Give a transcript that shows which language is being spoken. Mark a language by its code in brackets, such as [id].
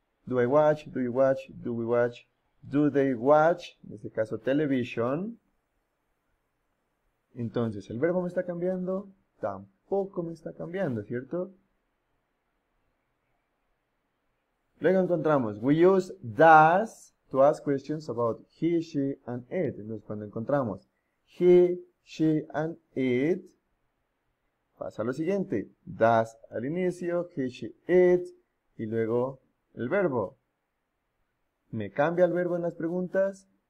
[en] Do I watch, do you watch, do we watch, do they watch. [es] En este caso, television. Entonces, ¿el verbo me está cambiando? Tampoco me está cambiando, ¿cierto? Luego encontramos, [en] we use does to ask questions about he, she, and it. [es] Entonces, cuando encontramos he, she, and it, pasa lo siguiente. Does al inicio, he, she, it, y luego el verbo. ¿Me cambia el verbo en las preguntas?